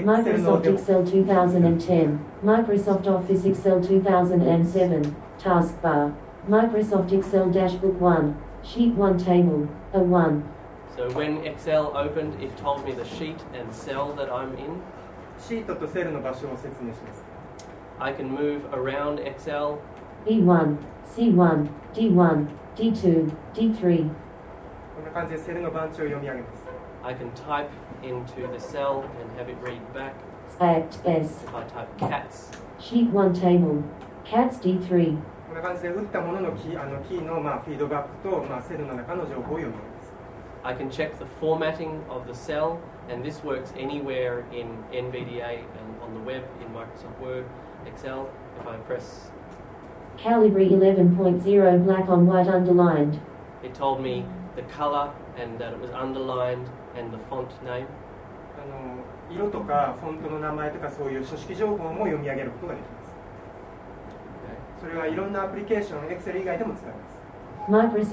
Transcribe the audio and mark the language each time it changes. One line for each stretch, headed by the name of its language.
English: Microsoft Excel 2010. Microsoft Office Excel 2007. Taskbar. Microsoft Excel Dashbook 1. Sheet 1 Table. A 1. So when Excel opened, it told me the sheet and cell that I'm in.
Japanese: シートとセルの場所を説明します。
English: I can move around Excel. B1, C1, D1, D2, D3.
Japanese: こんな感じでセルの番地を読み上げます。
English: I can type into the cell and have it read back. Act S. If I type cats. Sheet 1 table. Cats D3.
Japanese: こんな感じで打ったもののキーのまあフィードバックとまあセルの中の情報を読み上げます。
English: I can check the formatting of the cell, and this works anywhere in NVDA and on the web in Microsoft Word. Excel, if I press Calibri 11.0 black on white underlined. It told me the color and that it was underlined and the font name.
Japanese: 色とかフォントの名前とかそういう書式情報も読み上げることができます。
English: Okay.
Japanese: それはいろんなアプリケーション、Excel 以外でも使えます。